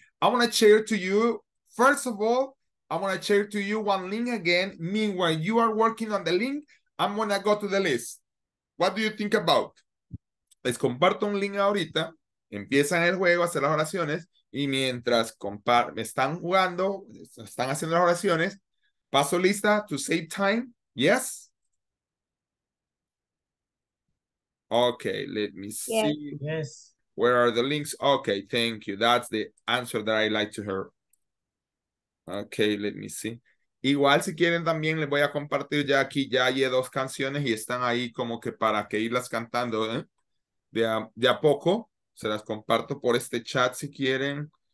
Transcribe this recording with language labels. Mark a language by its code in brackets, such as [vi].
[en] I wanna share to you, first of all, I wanna share to you one link again. Meanwhile, you are working on the link, I'm gonna go to the list. What do you think about? [es] Les comparto un link ahorita, empiezan el juego, hacer las oraciones, y mientras me están jugando, están haciendo las oraciones, paso lista [en] to save time, yes? Okay, let me see. Yes. Where are the links? Okay, thank you. That's the answer that I like to hear. Okay, let me see. [es] Igual, si quieren, también les voy a compartir ya aquí. Ya hay dos canciones y están ahí como que para que irlas cantando, ¿eh? De a poco. Se las comparto por este chat si quieren.